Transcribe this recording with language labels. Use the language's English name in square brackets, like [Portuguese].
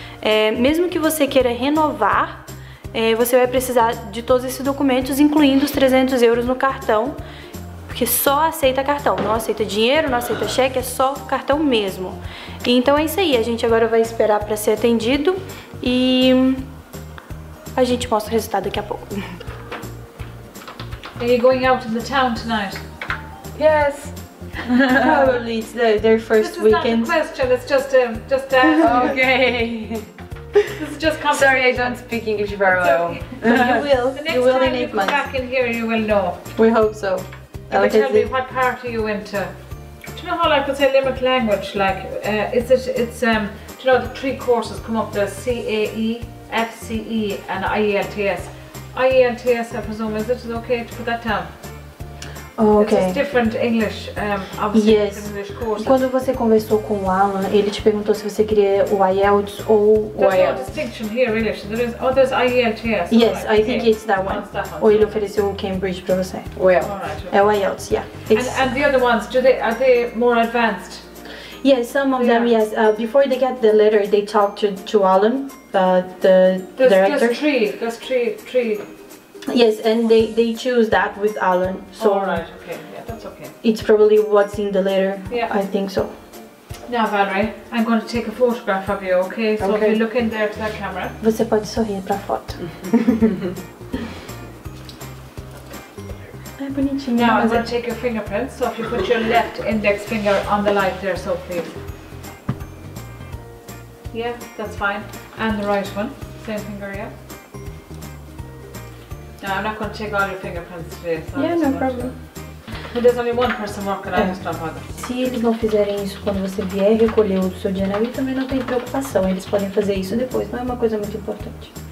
[Portuguese] É, mesmo que você queira renovar, você vai precisar de todos esses documentos, incluindo os 300 euros no cartão, porque só aceita cartão, não aceita dinheiro, não aceita cheque, é só cartão mesmo. Então é isso aí, a gente agora vai esperar para ser atendido e a gente mostra o resultado daqui a pouco. [English] Are you going out to the town tonight? Yes. Probably it's their first weekend. This is not a question, it's just a... Okay. This is just complicated. Sorry, I don't speak English very well. You will. The next time you come back in here, you will know. We hope so. Can you tell me what party you went to? Do you know how like, I could say Limerick language? Like, do you know the three courses come up? There's CAE, FCE and IELTS. IELTS, I presume, is it okay to put that down? Oh, okay. It's different English, obviously, yes. English courses. [Portuguese] Quando você conversou com o Alan, ele te perguntou se você queria o IELTS ou [English] there's [Portuguese] o IELTS. [English] There's no distinction here, really. There's IELTS. Yes, right. I think it's that one. [Portuguese] Ou ele ofereceu o Cambridge para você. [English] Well, right, okay. É o IELTS, yeah. And the other ones, are they more advanced? Yes, some of them, yes. Before they get the letter, they talk to Alan, the director. There's three. Yes, and they choose that with Alan. So oh, right, okay, yeah, that's okay. It's probably what's in the letter. Yeah, I think so. Now, Valerie, I'm going to take a photograph of you, okay? So okay. If you look in there to that camera. [Portuguese] Você pode sorrir para a foto. É bonitinho. [English] Now I'm going to take your fingerprints. So if you put your left index finger on the light there, Sophie. Yeah, that's fine. And the right one, same finger, yeah. No, I'm not going to take all your fingerprints today. So yeah, so no problem. And there's only one person working on this job. [Portuguese] Se eles não fizerem isso quando você vier recolher o seu DNA, também não tem preocupação. Eles podem fazer isso depois. Não é uma coisa muito importante.